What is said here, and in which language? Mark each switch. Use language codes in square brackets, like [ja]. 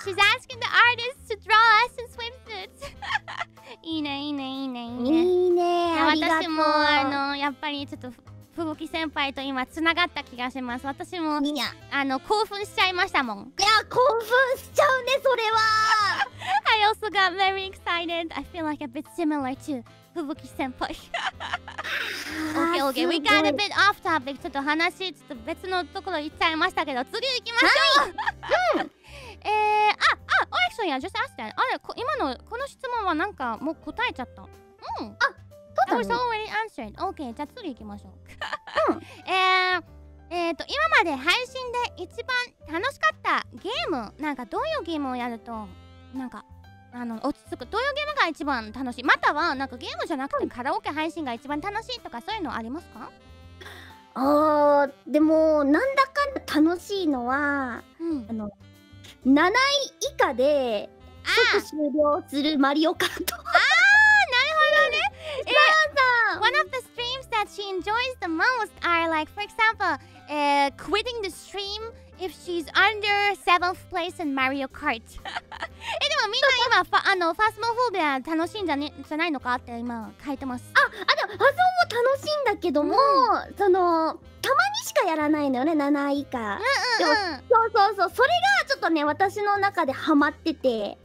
[en] She's asking the artist to draw us in swimsuits. [ja] いいね、いいね、いいね、いいね、いいね、ありがとう。私もやっぱりちょっとふぶき先輩と今つながった気がします。私もいや興奮しちゃいましたもん。いや、興奮しちゃうね、それは。 [en] I also got very excited. I feel like a bit similar to Fubuki-senpai. Okay, okay. We got a bit off topic. [ja] ちょっと話、ちょっと別のところ行っちゃいましたけど、次行きましょう。 [en] actually, I just asked that. [ja] あれ、今のこの質問はなんかもう答えちゃった。あ、そうだね。 [en] I was already answered. Okay, [ja] じゃあ次行きましょう。今まで配信で一番楽しかったゲーム、なんかどういうゲームをやるとなんか落ち着く、どういうゲームが一番楽しい、またはなんかゲームじゃなくてカラオケ配信が一番楽しいとか、そういうのありますか。あーでもなんだかんだ楽しいのは、7位以下で即終了するマリオカート。あーなるほどね。 [en] One of the streams that she enjoys the most are like for example、quitting the streamIf she's under 7th place in Mario Kart. [ja] でもみんな今ファスモフォービア楽しいんじゃないのかって今書いてます。あ、でもファスモも楽しいんだけども、うん、そのたまにしかやらないのよね、7位以下。うんうんうん、そうそうそう、それがちょっとね、私の中でハマってて。